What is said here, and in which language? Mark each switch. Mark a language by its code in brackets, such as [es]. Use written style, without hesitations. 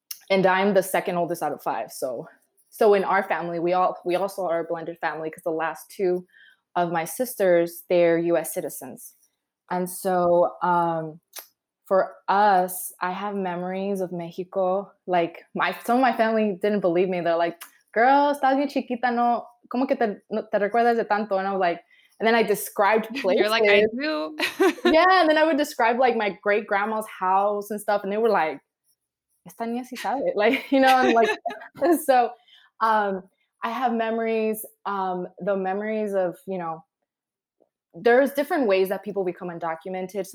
[en] And I'm the second oldest out of five. So in our family, we also are a blended family because the last two of my sisters, they're U.S. citizens. And so for us, I have memories of Mexico. Like some of my family didn't believe me. They're like, girl, [es] estás bien chiquita, no, ¿cómo que te recuerdas de tanto? [en] And I was like, and then I described places. You're like, I do. Yeah, and then I would describe like my great grandma's house and stuff. And they were like, [es] esta niña sí sabe. [en] Like, you know, and like, so... I have memories, there's different ways that people become undocumented.